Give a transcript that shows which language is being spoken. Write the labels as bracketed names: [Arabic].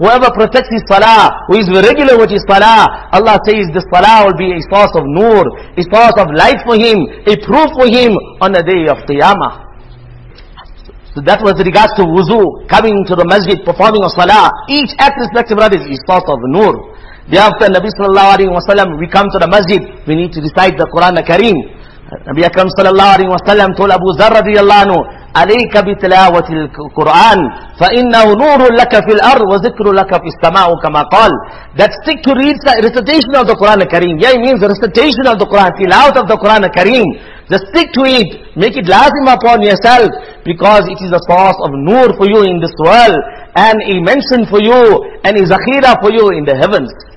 [English] Whoever protects his salah, who is regular with his salah, Allah says this salah will be a source of nur, a source of light for him, a proof for him on the day of Qiyamah. So that was regards to wuzu, coming to the masjid, performing a salah. Each act, respective brothers, is source of nur. Thereafter, Nabi sallallahu alayhi wa sallam, we come to the masjid, we need to recite the Quran al-Kareem. Nabi Akram sallallahu alayhi wa sallam told Abu Zar radiallahu anhu, [Arabic] عليك بتلاوة القرآن فإنه نور لك في الأرض وذكر لك في السماء كما قال. [English] That stick to read the recitation of the Quran al-Kareem. Yeah, it means the recitation of the Quran, tilawat of the Quran al-Kareem. Just stick to it, make it lazim upon yourself, because it is a source of nur for you in this world, and a mention for you, and a zakhira for you in the heavens.